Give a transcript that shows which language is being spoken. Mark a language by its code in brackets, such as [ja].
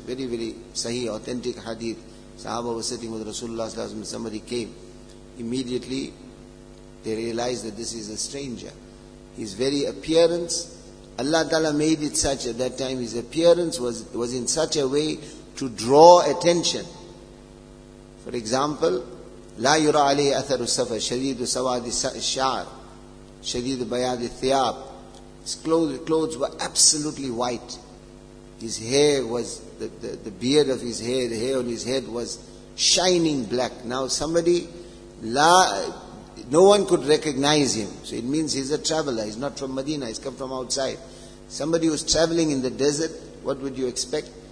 [en] Very, very sahih, authentic hadith. Sahaba was sitting with Rasulullah sallallahu alayhi wa sallam, somebody came. Immediately, they realized that this is a stranger. His very appearance, Allah Ta'ala made it such at that time, his appearance was in such a way to draw attention. For example, [ar] لا يرى عليه أثر السفر شديد سواد الشعر شديد بياض الثياب. [en] His clothes were absolutely white. His hair was, the beard of his hair, the hair on his head was shining black. Now somebody, no one could recognize him. So it means he's a traveler. He's not from Medina. He's come from outside. Somebody who's traveling in the desert, what would you expect?